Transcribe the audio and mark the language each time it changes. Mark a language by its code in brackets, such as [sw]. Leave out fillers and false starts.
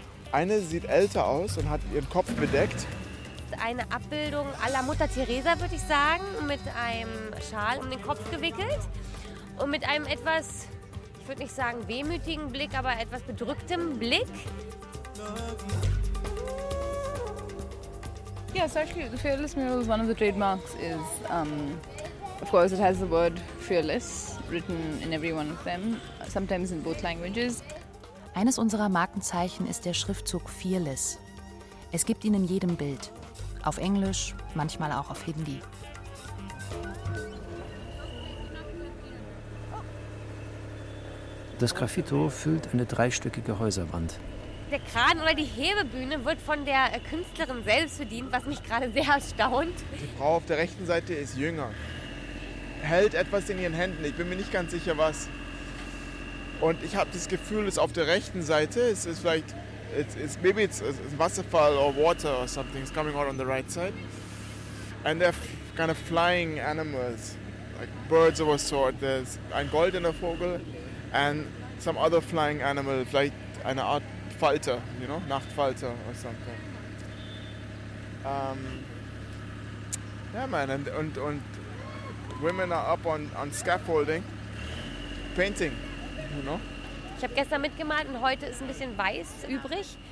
[de] Eine sieht älter aus und hat ihren Kopf bedeckt. Eine Abbildung à la Mutter Teresa, würde ich sagen, mit einem Schal um den Kopf gewickelt und mit einem etwas, ich würde nicht sagen wehmütigen Blick, aber etwas bedrücktem Blick. [en] Yes, actually, the Fearless Mural is one of the trademarks. Is of course, it has the word fearless written in every one of them, sometimes in both languages. [de] Eines unserer Markenzeichen ist der Schriftzug Fearless. Es gibt ihn in jedem Bild. Auf Englisch, manchmal auch auf Hindi. Das Graffito füllt eine dreistöckige Häuserwand. Der Kran oder die Hebebühne wird von der Künstlerin selbst bedient, was mich gerade sehr erstaunt. Die Frau auf der rechten Seite ist jünger, hält etwas in ihren Händen, ich bin mir nicht ganz sicher was. Und ich habe das Gefühl, es auf der rechten Seite, es ist vielleicht... [en] Maybe it's a waterfall or water or something. It's coming out on the right side. And they're kind of flying animals, like birds of a sort. There's [de] ein goldener Vogel [en] and some other flying animal, like [de] eine Art Falter, [en] you know, [de] Nachtfalter [en] or something. Yeah, man, and women are up on scaffolding, painting, you know. [de] Ich habe gestern mitgemalt und heute ist ein bisschen weiß übrig.